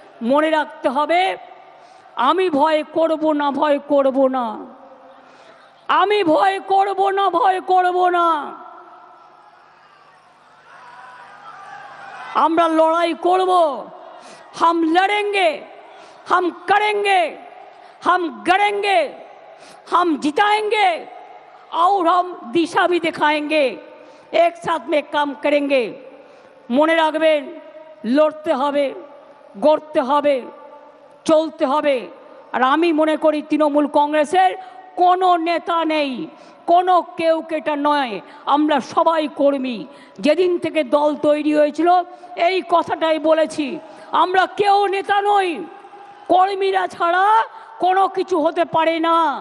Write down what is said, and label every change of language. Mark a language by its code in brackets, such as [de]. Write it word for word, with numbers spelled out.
[bn] মনে রাখতে হবে, আমি ভয় করব না, ভয় করব না, আমি ভয় করব না, ভয় করব না। আমরা লড়াই করব, [hi] হাম লড়েঙ্গে, হাম করেঙ্গে। हम गड़ेंगे, हम जिताएंगे और हम दिशा भी दिखाएंगे, एक साथ में काम करेंगे। [bn] মনে রাখবেন, লড়তে হবে, গড়তে হবে, চলতে হবে। আর আমি মনে করি তৃণমূল কংগ্রেসের কোনো নেতা নেই, কোনো কেউ কেটা নয়, আমরা সবাই কর্মী। যেদিন থেকে দল তৈরি হয়েছিল এই কথাটাই বলেছি, আমরা কেউ নেতা নই, কর্মীরা ছাড়া কোনো কিছু হতে পারে না।